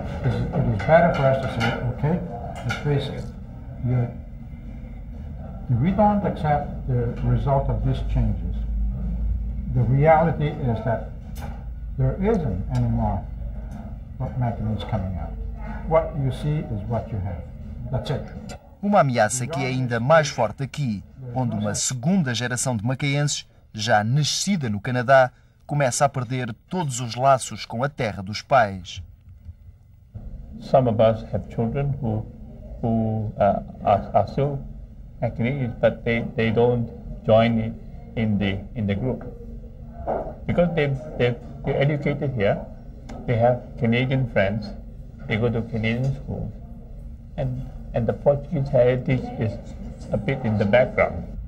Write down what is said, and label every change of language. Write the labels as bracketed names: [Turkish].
[English] It is better for us to say, okay, let's face it. If we don't accept the result of these changes, the reality is that there isn't any more Macanese coming out. What you see is what you have. That's it. [Portuguese] Uma ameaça que é ainda mais forte aqui, onde uma segunda geração de macaenses, já nascida no Canadá, começa a perder todos os laços com a terra dos pais. [English] Some of us have children who are still Macanese, but they don't join in the group. Because they're educated here, they have Canadian friends, they go to Canadian schools, and the Portuguese heritage is a bit in the background.